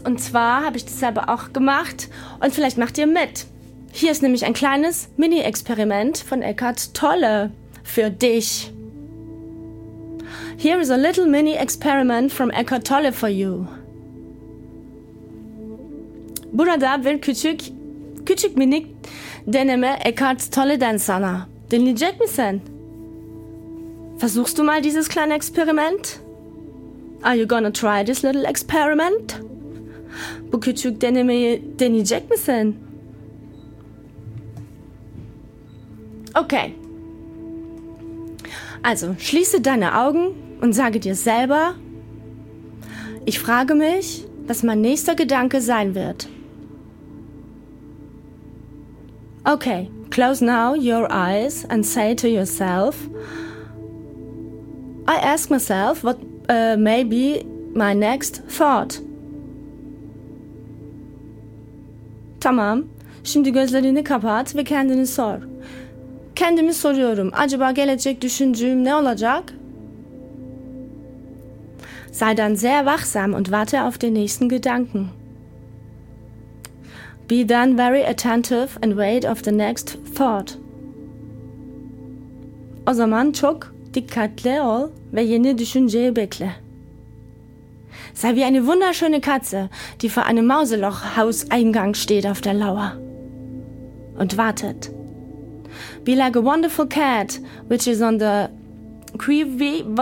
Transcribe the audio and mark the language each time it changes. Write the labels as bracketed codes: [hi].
[de] Und zwar habe ich das selber auch gemacht. Und vielleicht macht ihr mit. Hier ist nämlich ein kleines Mini-Experiment von Eckhart Tolle für dich. [en] Here is a little mini-experiment from Eckhart Tolle for you. [tr] Burada bir küçük minik deneme Eckhart Tolle'den sana. Dinleyecek misin? [de] Versuchst du mal dieses kleine Experiment? [en] Are you gonna try this little experiment? [tr] Bu küçük denemeyi deneyecek misin? Okay. [de] Also, schließe deine Augen und sage dir selber, ich frage mich, was mein nächster Gedanke sein wird. [en] Okay, close now your eyes and say to yourself, I ask myself what may be my next thought. [tr] Tamam, şimdi gözlerini kapat ve kendini sor. Kendimi soruyorum, acaba gelecek düşüncem ne olacak? [de] Sei dann sehr wachsam und warte auf den nächsten Gedanken. [en] Be then very attentive and wait of the next thought. [tr] O zaman çok dikkatli ol ve yeni düşünceyi bekle. [de] Sei wie eine wunderschöne Katze, die vor einem Mauselochhauseingang steht auf der Lauer und wartet. [en] Be like a wonderful cat, which is on the quee-weef.